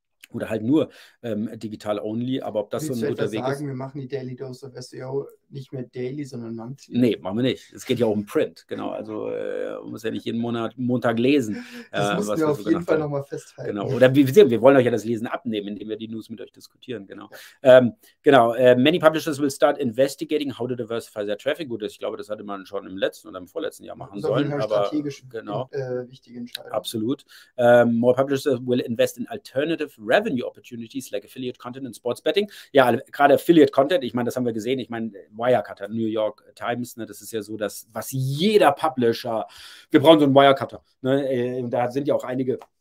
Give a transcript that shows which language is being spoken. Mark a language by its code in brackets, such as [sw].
[de] Oder halt nur digital only, aber ob das willst so ein guter Weg sagen, ist. Wir machen die Daily Dose of SEO nicht mehr daily, sondern monthly. Nee, machen wir nicht. Es geht ja auch um Print, genau. Also man muss ja nicht jeden Monat Montag lesen. Das müssen wir auf jeden Fall nochmal festhalten. Genau. Oder wir wollen euch ja das Lesen abnehmen, indem wir die News mit euch diskutieren, genau. Ja. [en] Many publishers will start investigating how to diversify their traffic. [de] Gut, ich glaube, das hatte man schon im letzten oder im vorletzten Jahr machen sollen. Aber strategisch genau, wichtige Entscheidung. Absolut. [en] More publishers will invest in alternative revenue opportunities like affiliate content and sports betting. [de] Ja, gerade affiliate content, ich meine, das haben wir gesehen, ich meine, Wirecutter, New York Times, ne, das ist ja so, dass was jeder Publisher, wir brauchen so einen Wirecutter, ne, und da sind ja auch einige